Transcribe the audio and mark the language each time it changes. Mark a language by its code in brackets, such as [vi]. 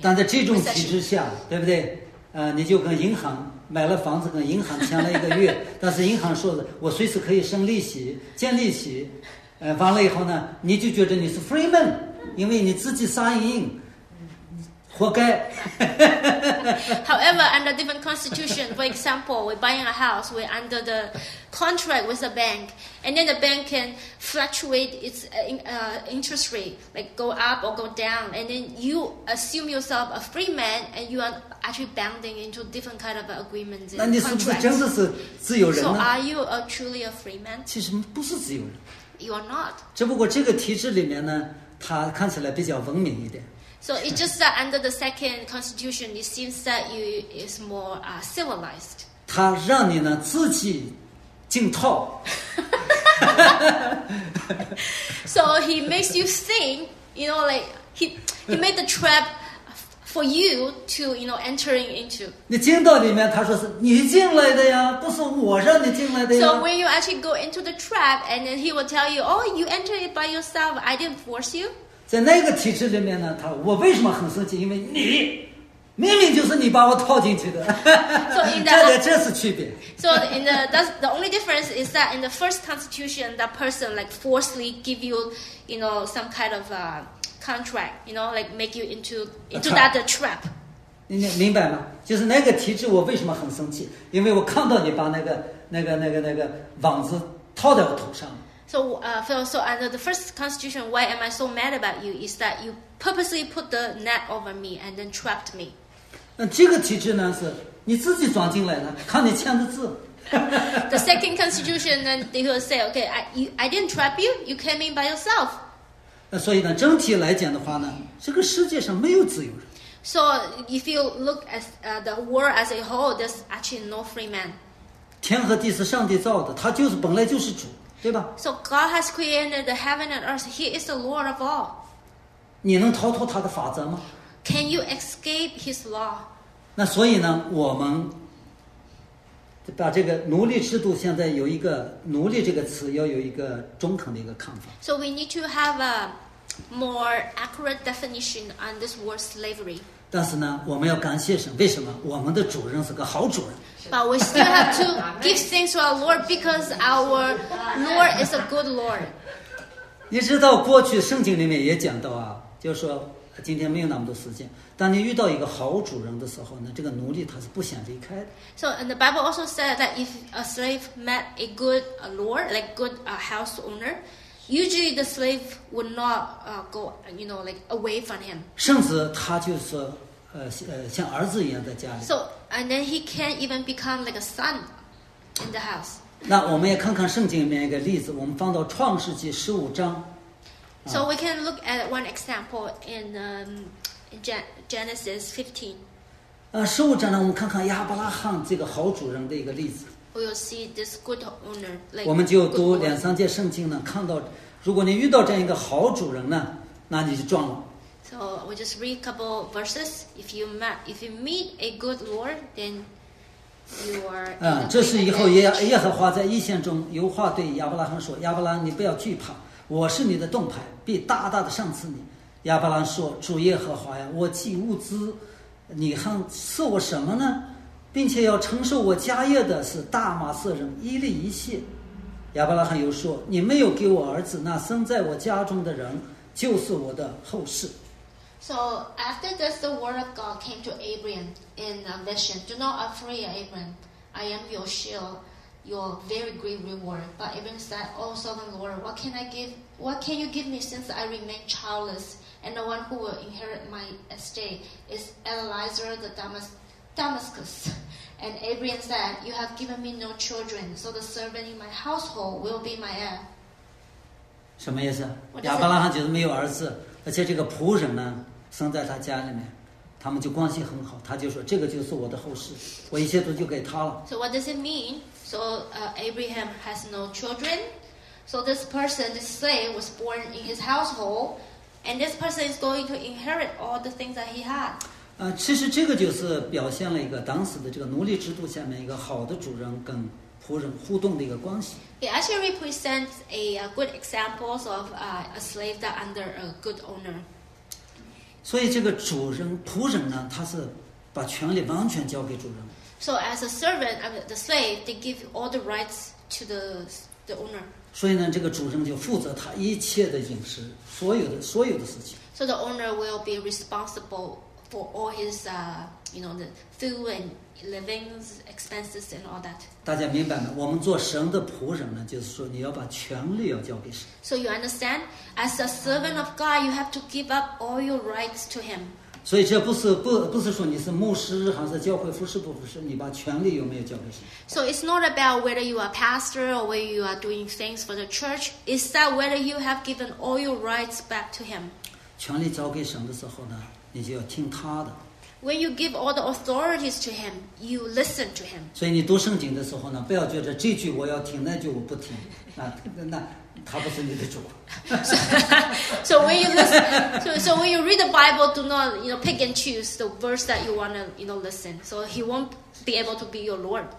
[zh] 但在这种体制下，对不对？你就跟银行买了房子，跟银行签了一个月，但是银行说的我随时可以生利息、建利息。完了以后呢，你就觉得你是 [en] free man， [zh] 因为你自己 [en] sign in， [zh] 活该。 [en] However, under different constitution, for example, we're buying a house, we're under the contract with a bank, and then the bank can fluctuate its interest rate, like go up or go down, and then you assume yourself a free man, and you are actually bounding into different kind of agreements and contracts. [zh] 那你是不是真的是自由人呢？ [en] So are you truly a free man? [zh] 其实不是自由人。 [en] You are not. [zh] 只不过这个体制里面呢，它看起来比较文明一点。 [en] So it's just that under the second constitution, it seems that you is more civilized. [zh] 它让你呢自己进套。 [en] So he makes you think, you know, like he made the trap for you to, you know, entering into. [zh] 你进到里面，他说是你进来的呀，不是我让你进来的呀。 [en] So when you actually go into the trap, and then he will tell you, oh, you entered it by yourself. I didn't force you. [zh] 在那个体制里面呢，他说我为什么很生气？因为你明明就是你把我套进去的。 [en] So in that, [zh] 这是区别。 [en] So in the only difference is that in the first constitution, that person like forcefully give you, you know, some kind of contract, you know, like make you into that trap. [zh] 明白吗？就是那个体制，我为什么很生气？因为我看到你把那个网子套在我头上。 [en] So, Phil, so under the first constitution, why am I so mad about you? Is that you purposely put the net over me and then trapped me? [zh] 那这个体制呢，是你自己装进来的，看你签的字。 [en] The second constitution, then they will say, okay, I didn't trap you. You came in by yourself. [zh] 所以呢，整体来讲的话呢，这个世界上没有自由人。 [en] So if you look at the world as a whole, there's actually no free man. [zh] 天和地是上帝造的，他就是本来就是主，对吧 [en] ？So God has created the heaven and earth. He is the Lord of all. [zh] 你能逃脱他的法则吗 [en] ？Can you escape his law? [zh] 那所以呢，我们把这个奴隶制度现在有一个奴隶这个词要有一个中肯的一个看法 [en] So we need to have a more accurate definition on this word slavery [zh] 但是呢我们要感谢神为什么我们的主人是个好主人 [en] But we still have to give thanks to our Lord because our Lord is a good Lord [zh] 你知道过去圣经里面也讲到啊就是说今天没有那么多时间当你遇到一个好主人的时候呢，这个奴隶他是不想离开的。 [en] So and the Bible also said that if a slave met a good lord, like good house owner, usually the slave would not go, you know, like away from him. [zh] 甚至他就是像儿子一样在家里。 [en] So and then he can't even become like a son in the house. [zh] 那我们也看看圣经里面一个例子，我们放到创世纪十五章。 [en] So we can look at one example in. Genesis 15. [zh] 十五章呢，我们看看亚伯拉罕这个好主人的一个例子。 [en] We will see this good owner. Like [zh] 我们就读两三节圣经呢，看到，如果你遇到这样一个好主人呢，那你就赚了。 [en] So we just read a couple verses. If you meet a good lord, then you are. [zh] 这是以后耶和华在异象中，犹华对亚伯拉罕说：“亚伯拉罕，你不要惧怕，我是你的盾牌，必大大的赏赐你。” 亚伯兰说主耶和华呀我既物资你还赐我什么呢并且要承受我家业的是大马色人伊利一谢亚伯拉罕又说你没有给我儿子那生在我家中的人就是我的后世 [en] So after this the word of God came to Abram in a vision Do not afraid Abram I am your shield your very great reward But Abram said Oh sovereign Lord what can you give me since I remain childlessAnd the one who will inherit my estate is Eliezer the Damascus. And Abraham said, "You have given me no children, so the servant in my household will be my heir." [zh] 什么意思？亚伯拉罕就是没有儿子，而且这个仆人呢，生在他家里面，他们就关系很好。他就说，这个就是我的后世，我一切都就给他了。 [en] So what does it mean? So Abraham has no children. So this person, this slave, was born in his household. And this person is going to inherit all the things that he had. [zh] 其实这个就是表现了一个当时的这个奴隶制度下面一个好的主人跟仆人互动的一个关系。 [en] It actually represents a good examples of a slave that under a good owner. [zh] 所以这个主人仆人呢，他是把权力完全交给主人。 [en] So as a servant, the slave, they give all the rights to the owner. [zh] 所以呢，这个主人就负责他一切的饮食，所有的事情。 [en] So the owner will be responsible for all his, you know, the food and living expenses and all that. [zh] 大家明白吗？我们做神的仆人呢，就是说你要把权力要交给神。 [en] So you understand? As a servant of God, you have to give up all your rights to Him. [zh] 所以这不是说你是牧师还是教会服事不服事，你把权力有没有交给神 [en] ？So it's not about whether you are pastor or whether you are doing things for the church. It's that whether you have given all your rights back to Him. [zh] 权力交给神的时候呢，你就要听他的。 [en] When you give all the authorities to Him, you listen to Him. [zh] 所以你读圣经的时候呢，不要觉得这句我要听，那句我不听，那。他不是你的主。 [en] So when you read the Bible, do not you know pick and choose the verse that you want to you know listen. So he won't be able to be your Lord.